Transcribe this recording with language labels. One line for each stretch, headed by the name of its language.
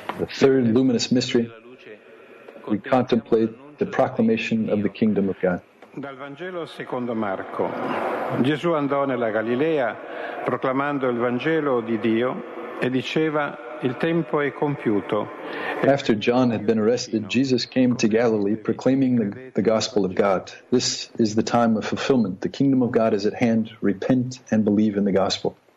English: third luminous mystery, we contemplate the proclamation of the kingdom of God.
Italian: Dal Vangelo secondo Marco. Gesù andò nella Galilea proclamando il Vangelo di Dio e diceva: il tempo è compiuto.
English: After John had been arrested, Jesus came to Galilee proclaiming the gospel of God. This is the time of fulfillment. The kingdom of God is at hand. Repent and believe in the gospel.